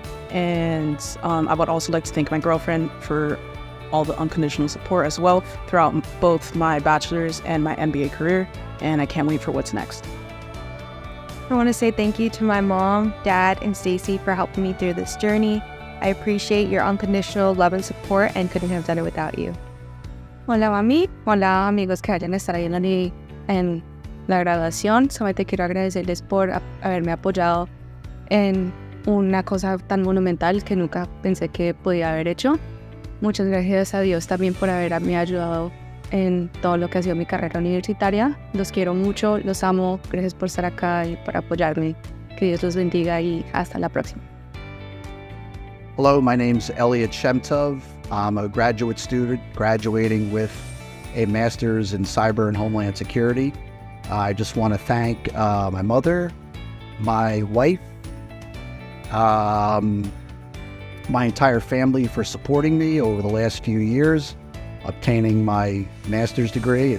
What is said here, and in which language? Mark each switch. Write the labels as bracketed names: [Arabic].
[English] And I would also like to thank my girlfriend for all the unconditional support as well throughout both my bachelor's and my MBA career. And I can't wait for what's next. I want to say thank you to my mom, dad, and Stacy for helping me through this journey. I appreciate your unconditional love and support and couldn't have done it without you. [Spanish] Hola, mami. Hola, amigos que hayan estado ahí en la graduación. Solamente quiero agradecerles por haberme apoyado en una cosa tan monumental que nunca pensé que podía haber hecho. Muchas gracias a Dios también por haberme ayudado en todo lo que ha sido mi carrera universitaria. Los quiero mucho, los amo. Gracias por estar acá y por apoyarme. Que Dios los bendiga y hasta la próxima. [English] Hello, my name's Elliot Shemtov. I'm a graduate student graduating with a master's in cyber and homeland security. I just want to thank my mother, my wife, my entire family for supporting me over the last few years, obtaining my master's degree.